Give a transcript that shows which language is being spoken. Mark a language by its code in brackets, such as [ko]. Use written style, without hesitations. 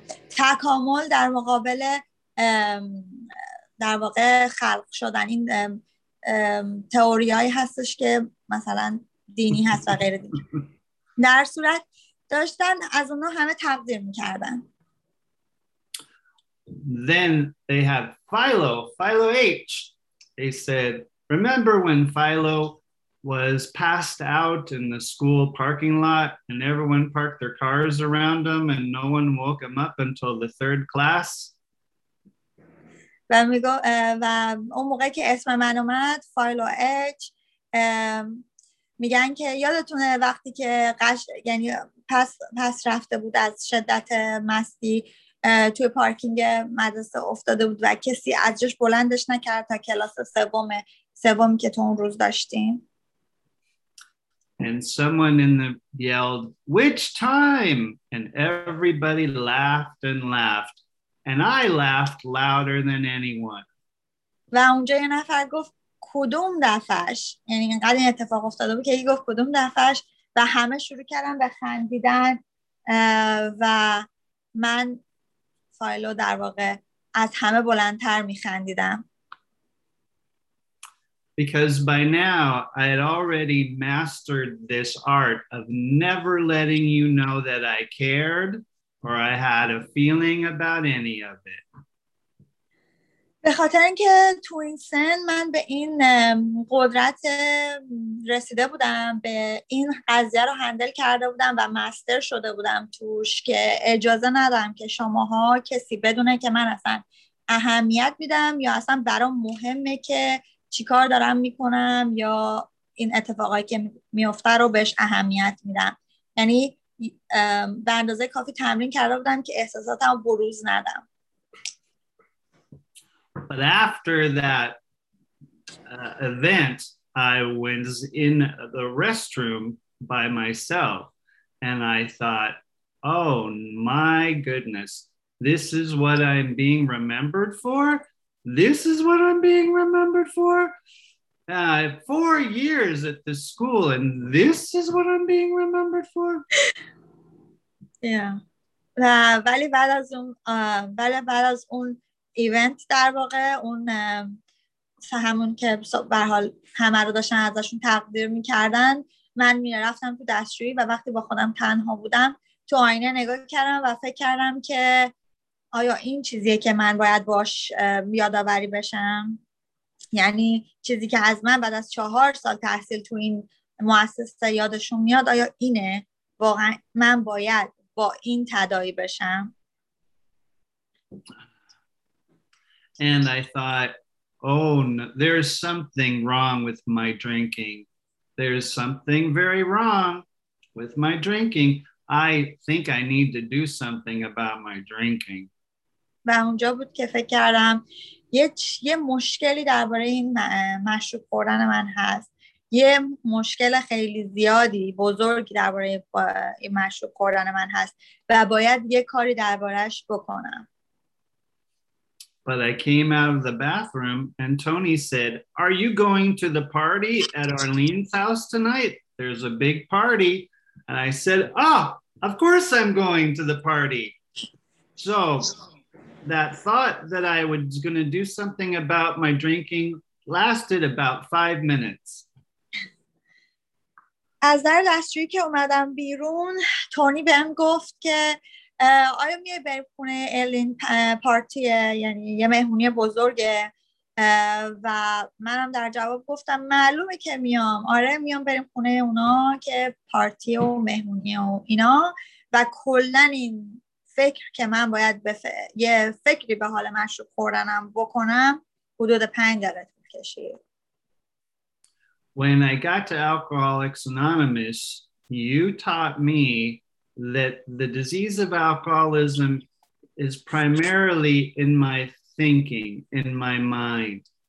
[fa] تکامل در مقابل در واقع خلق شدن، این تئوریایی هستش که مثلا دینی هست و غیر دینی. در صورت داشتن از اونها همه تقدیر می‌کردن. [en] Then they have Philo H. They said, remember when Philo was passed out in the school parking lot and everyone parked their cars around him and no one woke him up until the third class. [fa] و میگو و اون موقع که اسم من اومد فایل و اچ میگن که یادتونه وقتی که قش یعنی پس رفته بود از شدت مستی توی پارکینگ مدرسه افتاده بود و کسی از جاش بلندش نکرد تا کلاس سومی که تو اون روز داشتیم. [en] And someone in the yelled, "Which time?" And everybody laughed and laughed. And I laughed louder than anyone. [fa] و اونجا یه نفر گفت کدوم دفعش؟ یعنی اینقدر این اتفاق افتاده بود که یکی گفت کدوم دفعش و همه شروع کردن به خندیدن و من فایلو در واقع از همه بلندتر میخندیدم. [en] Because by now I had already mastered this art of never letting you know that I cared. Or I had a feeling about any of it. [fa] به خاطر اینکه تو این سن من به این قدرت رسیده بودم به این قضیه رو هندل کرده بودم و مستر شده بودم توش که اجازه ندادم که شماها کسی بدونه که من اصلا اهمیت میدم یا اصلا برام مهمه که چیکار دارم میکنم یا این اتفاقایی که میفته رو بهش اهمیت میدم. یعنی به اندازه کافی تمرین کرده بودم که احساساتم بروز ندم. [en] But after that event, I was in the restroom by myself and I thought, oh my goodness, this is what I'm being remembered for? This is what I'm being remembered for? 4 years at the school and this is what I'm being remembered for? Yeah. [fa] ولی بعد از اون ایونت در واقع اون همون که به هر حال همه رو داشتن ازشون تقدیر میکردن من میرفتم تو دستشویی و وقتی با خودم تنها بودم تو آینه نگاه کردم و فکر کردم که آیا این چیزیه که من باید باش یادآوری بشم، یعنی چیزی که از من بعد از 4 سال تحصیل تو این مؤسسه یادشون میاد آیا اینه واقعا من باید با این تداعی بشم. [en] And I thought, oh, no, there's something wrong with my drinking. There's something very wrong with my drinking. I think I need to do something about my drinking. [fa] و اونجا بود که فکر کردم یه مشکلی درباره این مشروب خوردن من هست. یه مشکل خیلی زیادی بزرگی درباره این مشروب خوردن من هست و باید یه کاری دربارهش بکنم. [en] But I came out of the bathroom and Tony said, "Are you going to the party at Arlene's house tonight? There's a big party." And I said, "Oh, of course I'm going to the party." So that thought that I was going to do something about my drinking lasted about 5 minutes. [fa] از در دستشویی که اومدم بیرون تونی بهم گفت که آیا میای بریم خونه ایلین پارتیه، یعنی یه مهمونی بزرگه، و منم در جواب گفتم معلومه که میام، آره میام بریم خونه اونا که پارتی و مهمونی و اینا، و کلن این فکر که من باید یه فکری به حال مشروب خوردنم بکنم حدود 5 دقیقه طول کشید. [en] When I got to Alcoholics Anonymous, you taught me that the disease of alcoholism is primarily in my thinking, in my mind.